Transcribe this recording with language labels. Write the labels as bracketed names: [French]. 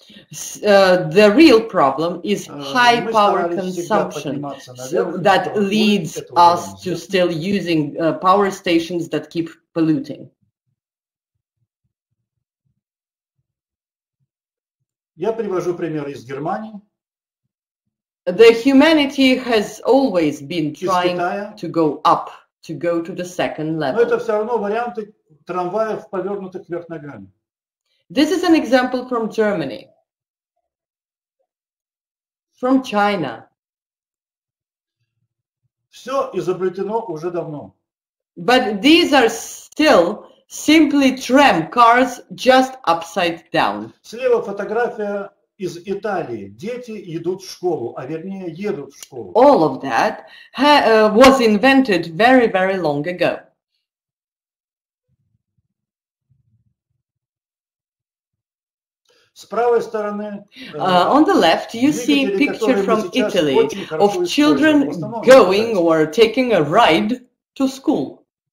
[English] The real problem is high power consumption that leads us to still using power stations that keep polluting. [Russian] Я привожу пример из Германии. [English] The humanity has always been trying to go up, to go to the second level. [Russian] Но это все равно варианты трамваев, повернутых вверх ногами. [English] This is an example from Germany. From China. [Russian] Все изобретено уже давно. [English] But these are still simply tram cars just upside down. [Russian] Слева фотография из Италии. Дети идут в школу, а вернее едут в школу. [English] All of that was invented very, very long ago. [Russian] С правой стороны, [English] on the left, you see picture from Italy of children going or taking a ride to school.